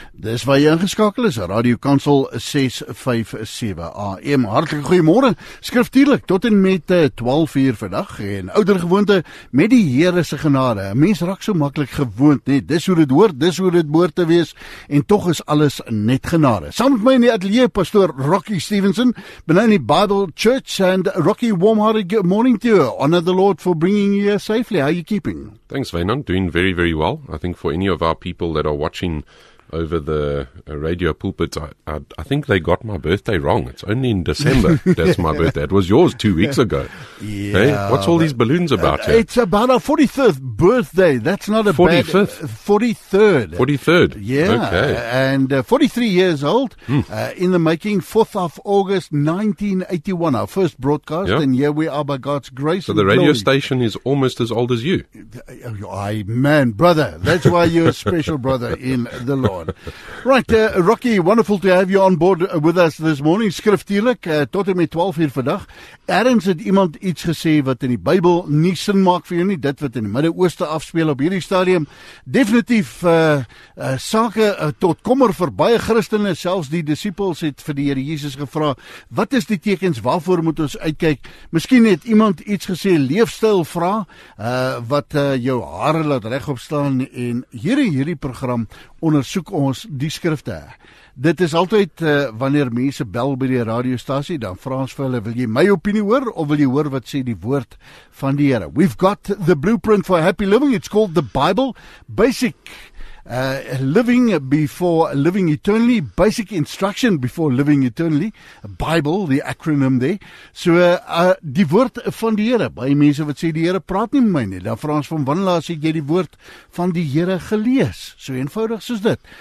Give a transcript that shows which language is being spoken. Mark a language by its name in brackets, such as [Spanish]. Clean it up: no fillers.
[Afrikaans] Dis waar jy ingeskakel is, Radio Kansel 657 AM. Hartlike goeiemôre. Skriftuurlik tot en met 12:00 vandag en ouder gewoonte met die Here se genade. 'N Mens raak so maklik gewoond, nê? Dis hoe dit hoort, dis hoe dit moet te wees en tog is alles net genade. Saam met my in die ateljee pastoor Rocky Stevenson, binne in die Bible Church [English] and Rocky, warm hearted good morning to you. Honor the Lord for bringing you here safely. How are you keeping? Thanks, Wynand. Doing very, very well. I think for any of our people that are watching over the radio pulpit, I think they got my birthday wrong. It's only in December that's my birthday. It was yours 2 weeks ago. Yeah, hey, what's all these balloons about? It's about our 45th birthday. That's not a 45th. Bad... 43rd. 43rd. Yeah. Okay. And 43 years old, in the making, 4th of August 1981, our first broadcast, and here we are by God's grace. So the radio station is almost as old as you. Man, brother, that's why you're a special brother in the Lord. Right, Rocky, wonderful to have you on board with us this morning. [Afrikaans] Skriftuurlik, tot en met 12:00 vandag. Ergens het iemand iets gesê wat in die Bybel nie sin maak vir jou nie, dit wat in die Midde-Ooste afspeel op hierdie stadium. Definitief sake tot kommer vir baie Christene, selfs die disippels het vir die Here Jesus gevra, wat is die tekens, waarvoor moet ons uitkyk? Miskien het iemand iets gesê, leefstyl vra, wat jou hare laat regop staan en hierdie program ondersoek ons die skrifte. Dit is altyd, wanneer mense bel by die radiostasie, dan vra ons vir hulle, wil jy my opinie hoor, of wil jy hoor wat sê die woord van die Here? [English] We've got the blueprint for happy living, it's called the Bible, basic living before living eternally, basic instruction before living eternally, Bible, the acronym there. [Afrikaans] So, die woord van die Here, baie mense wat sê die Here praat nie met my nie, dan vra ons van wanlaas het jy die woord van die Here gelees, so eenvoudig soos dit.